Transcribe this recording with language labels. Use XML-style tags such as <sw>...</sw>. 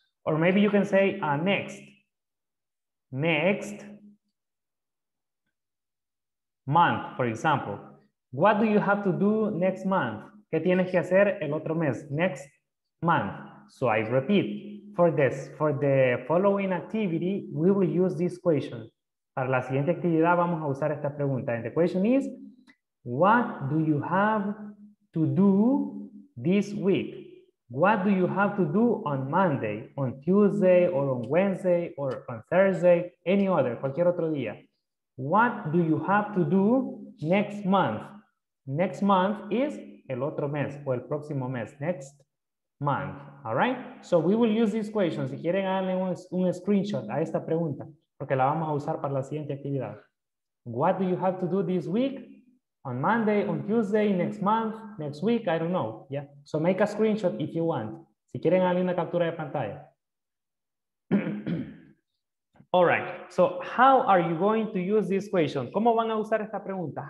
<en>Or maybe you can say, next month, for example. What do you have to do next month?</en> <es>¿Qué tienes que hacer el otro mes?</es> <en>Next month. So I repeat, for the following activity, we will use this question.</en> <es>Para la siguiente actividad vamos a usar esta pregunta.</es> <en>And the question is, what do you have to do this week? What do you have to do on Monday, on Tuesday, or on Wednesday, or on Thursday, any other,</en> <es>cualquier otro día?</es> <en>What do you have to do next month? Next month is</en> <es>el otro mes, o el próximo mes,</es> <en>next month, all right? So we will use this question.</en> <es>Si quieren, háganle un screenshot a esta pregunta, porque la vamos a usar para la siguiente actividad.</es> <en>What do you have to do this week? On Monday, on Tuesday, next month, next week, I don't know, yeah? So make a screenshot if you want.</en> <es>Si quieren, háganle una captura de pantalla.</es> <en>All right, so how are you going to use this question?</en> <es>¿Cómo van a usar esta pregunta?</es>